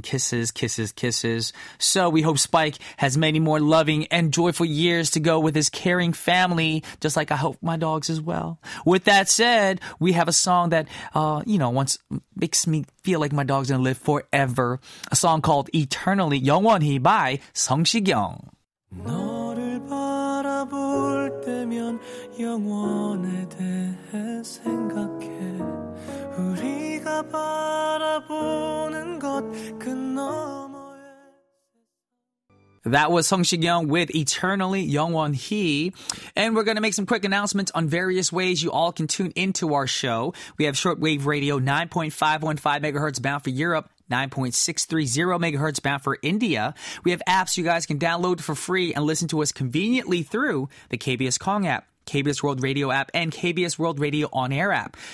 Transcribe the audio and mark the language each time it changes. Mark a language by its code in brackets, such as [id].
[en] Kisses, kisses, kisses. So we hope Spike has many more loving and joyful years to go with his caring family, just like I hope my dogs as well. With that said, we have a song that, once makes me feel like my dog's going to live forever. A song called Eternally, Yeongwonhi by Song Si-kyung. [ko] 너를 바라볼 때면 영원에 대해 생각해 우리가 바라보는 것 그 너머에. [en] That was Song Si-kyung with Eternally, Yeongwonhi. And we're going to make some quick announcements on various ways you all can tune into our show. We have shortwave radio 9.515 megahertz bound for Europe, 9.630 megahertz bound for India. We have apps you guys can download for free and listen to us conveniently through the KBS Kong app, KBS World Radio app, and KBS World Radio On Air app.